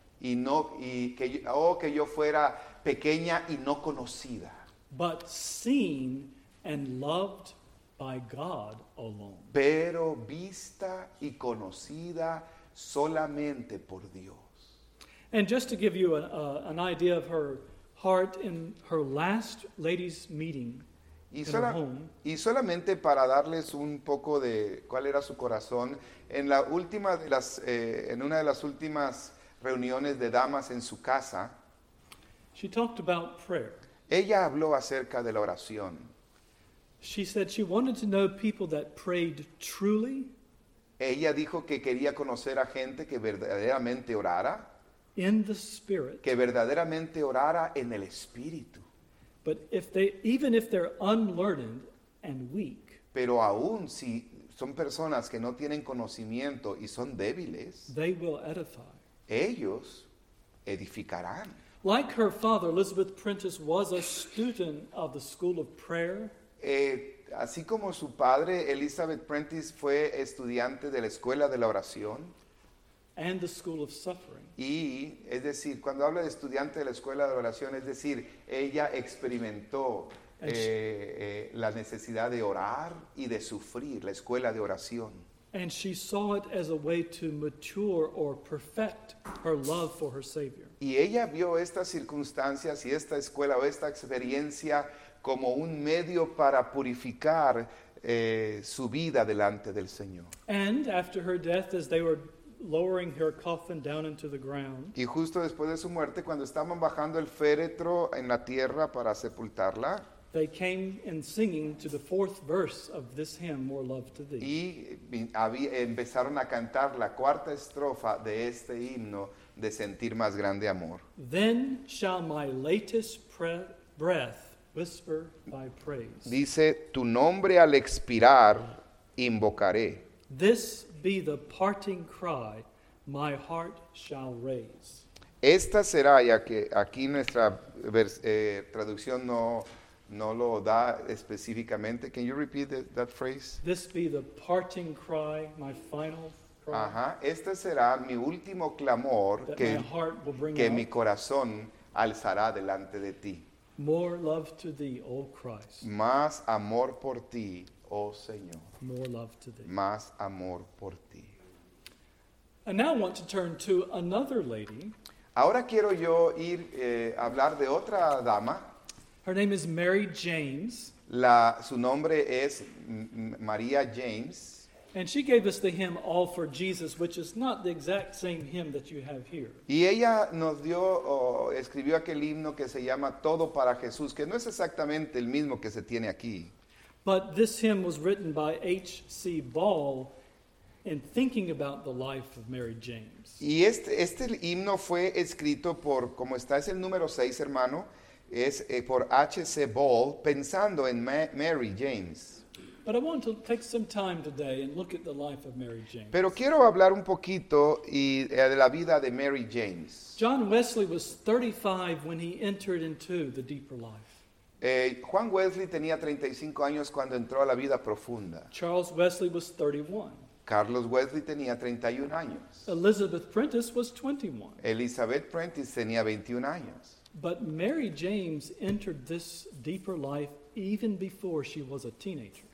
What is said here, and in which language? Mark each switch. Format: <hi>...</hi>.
<es>Y no, y que yo, oh, que yo fuera pequeña y no conocida.</es> <en>But seen and loved by God alone.</en> <es>Pero vista y conocida solamente por Dios.</es> <en>And just to give you an idea of her heart in her last ladies' meeting in her home.</en> <es>Y solamente para darles un poco de cuál era su corazón en la última de las en una de las últimas reuniones de damas en su casa.</es> <en>She talked about prayer.</en> <es>Ella habló acerca de la oración.</es> <en>She said she wanted to know people that prayed truly.</en> <es>Ella dijo que quería conocer a gente que verdaderamente orara.</es> <en>In the spirit.</en> <es>Que verdaderamente orara en el espíritu.</es> <en>But if they, even if they're unlearned and weak.</en> <es>Pero aún si son personas que no tienen conocimiento y son débiles.</es> <en>They will edify.</en> <es>Ellos edificarán.</es> <en>Like her father, Elizabeth Prentice was a student of the school of prayer.</en> <es>Así como su padre, Elizabeth Prentice fue estudiante de la escuela de la oración.</es> <en>And the school of suffering.</en> <es>Y, es decir, cuando habla de estudiante de la escuela de oración, es decir, ella experimentó la necesidad de orar y de sufrir, la escuela de oración.</es> <en>And she saw it as a way to mature or perfect her love for her Savior.</en> <es>Y ella vio estas circunstancias y esta escuela o esta experiencia como un medio para purificar su vida delante del Señor.</es> <en>And after her death, as they were lowering her coffin down into the ground,</en> <es>y justo después de su muerte, cuando estaban bajando el féretro en la tierra para sepultarla,</es> <en>they came in singing to the fourth verse of this hymn, More Love to Thee.</en> <es>Y empezaron a cantar la cuarta estrofa de este himno de sentir más grande amor.</es> <en>Then shall my latest breath whisper thy praise.</en> <es>Dice, tu nombre al expirar invocaré.</es> <en>This be the parting cry my heart shall raise.</en> <es>Esta será, ya que aquí nuestra traducción no lo da específicamente.</es> <en>Can you repeat that phrase? This be the parting cry, my final cry.</en> <es>Ajá. Este será mi último clamor que mi corazón alzará delante de ti.</es> <en>More love to thee, O Christ.</en> <es>Más amor por ti, oh Señor.</es> <en>More love to thee.</en> <es>Más amor por ti.</es> <en>And now I want to turn to another lady.</en> <es>Ahora quiero yo ir a hablar de otra dama.</es> <en>Her name is Mary James.</en> <es>Su nombre es María James.</es> <en>And she gave us the hymn All for Jesus, which is not the exact same hymn that you have here.</en> <es>Y ella nos dio, escribió aquel himno que se llama Todo para Jesús, que no es exactamente el mismo que se tiene aquí.</es> <en>But this hymn was written by H.C. Ball in thinking about the life of Mary James.</en> <es>Y este himno fue escrito por, como está, es el número 6, hermano. Es por H.C. Ball, pensando en Mary James.</es> <en>But I want to take some time today and look at the life of Mary James.</en> <es>Pero quiero hablar un poquito de la vida de Mary James.</es> <en>John Wesley was 35 when he entered into the deeper life.</en> <es>Juan Wesley tenía 35 años cuando entró a la vida profunda.</es> <en>Charles Wesley was 31.</en> <es>Carlos Wesley tenía 31 años.</es> <en>Elizabeth Prentice was 21.</en> <es>Elizabeth Prentice tenía 21 años.</es> <en>But Mary James entered this deeper life even before she was a teenager.</en>